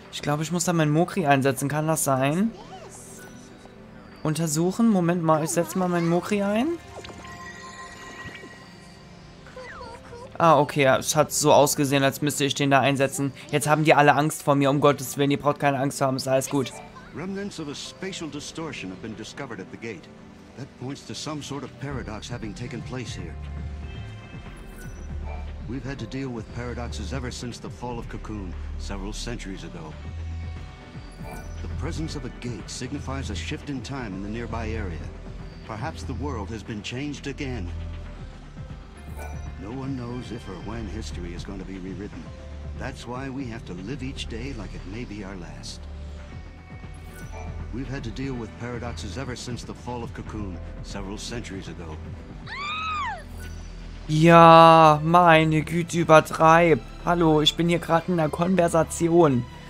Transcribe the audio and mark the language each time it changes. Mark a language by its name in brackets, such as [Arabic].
[German] Ich glaube, ich muss da meinen Mokri einsetzen. Kann das sein? Untersuchen. Moment mal, ich setze mal meinen Mokri ein. Ah, okay, ja, es hat so ausgesehen, als müsste ich den da einsetzen. Jetzt haben die alle Angst vor mir, um Gottes Willen, ihr braucht keine Angst zu haben, ist alles gut. [English] Remnants of a spatial distortion have been discovered at the gate. That points to some sort of paradox having taken place here. We've had to deal with paradoxes ever since the fall of Cocoon, several centuries ago. The presence of a gate signifies a shift in time in the nearby area. Perhaps the world has been changed again. No one knows if or when history is going to be rewritten. That's why we have to live each day like it may be our last. We've had to deal with paradoxes ever since the fall of Cocoon, several centuries ago. [German] Ja, meine Güte, übertreib. Hallo, ich bin hier gerade in einer Konversation.